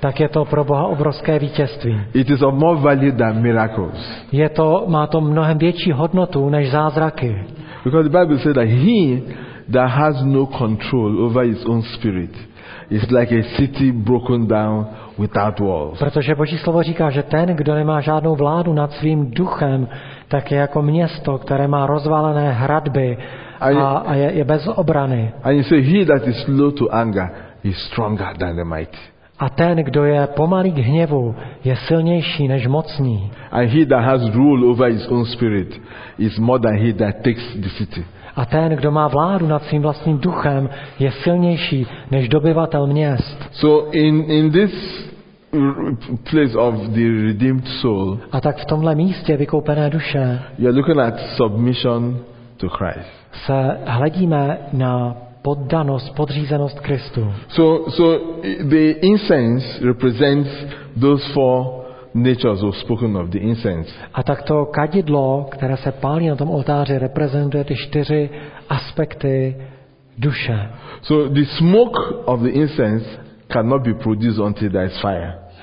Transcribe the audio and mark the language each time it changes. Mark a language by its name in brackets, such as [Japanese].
[Czech] Tak je to pro Boha obrovské vítězství. [English] It is of more value than miracles. [Czech] Je to má to mnohem větší hodnotu než zázraky. [English] Because the Bible says that he that has no control over his own spirit is like a city broken down without walls. [Czech] Protože Boží slovo říká, že ten, kdo nemá žádnou vládu nad svým duchem, tak je jako město, které má rozvalené hradby a je bez obrany. [English] And you say he that is slow to anger is stronger than the mighty. [Czech] A ten, kdo je pomalý k hněvu, je silnější než mocný. [English] And he that has rule over his own spirit is more than he that takes the city. [Czech] A ten, kdo má vládu nad svým vlastním duchem, je silnější než dobyvatel měst. [English] So in this place of the redeemed soul. [Czech] A tak v tomhle místě vykoupené duše. [English] You are looking at submission to Christ. [Czech] Se hledíme na poddanost, podřízenost Kristu. [English] So the incense represents those four natures we've spoken of, the incense. [Czech] A tak to kadidlo, které se pálí na tom oltáři, reprezentuje ty čtyři aspekty duše. [English] So the smoke of the incense cannot be produced until there is fire.